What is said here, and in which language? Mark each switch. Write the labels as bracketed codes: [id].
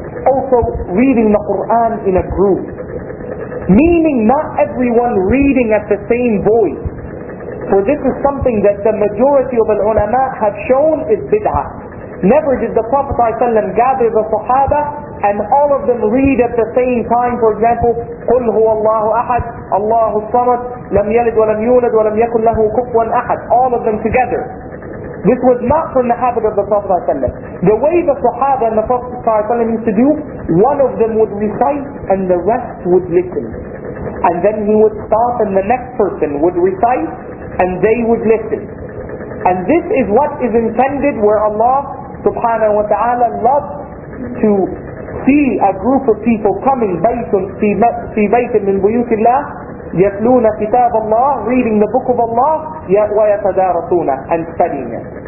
[en] Also, reading the Quran in a group. Meaning not everyone reading at the same voice. For this is something that the majority of al-ulama have shown is bid'ah. Never did the Prophet ﷺ gather the Sahaba and all of them read at the same time. For example, [ar] قُلْ هُوَ اللَّهُ أَحَدْ اللَّهُ الصَّمَدْ لَمْ يَلِدْ وَلَمْ يُولَدْ وَلَمْ يَكُنْ لَهُ كُفُوًا أَحَدْ. [en] All of them together. This was not from the habit of the Prophet ﷺ. The way the Sahaba and the Prophet ﷺ used to do, one of them would recite and the rest would listen. And then he would stop and the next person would recite and they would listen. And this is what is intended, where Allah subhanahu wa ta'ala loves to see a group of people coming [ar] baytun fi baytun min buyutillah yatluna kitab Allah, [en] reading the book of Allah, [ar] wa yatadarasuna, [en] and studying it.